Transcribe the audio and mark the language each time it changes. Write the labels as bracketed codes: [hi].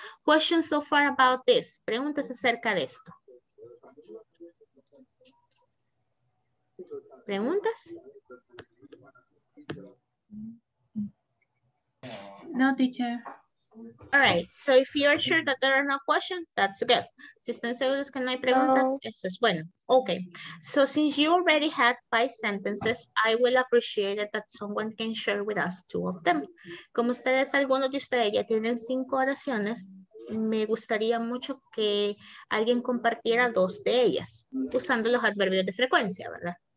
[en] Questions so far about this? [es] Preguntas acerca de esto. ¿Preguntas? [en] No, teacher. All right, so if you are sure that there are no questions, that's good. [es] Si están seguros que no hay preguntas, eso es bueno. [en] Okay, so since you already had 5 sentences, I will appreciate it that someone can share with us 2 of them. [es] Como ustedes, algunos de ustedes ya tienen 5 oraciones, me gustaría mucho que alguien compartiera 2 de ellas usando los adverbios de frecuencia, ¿verdad?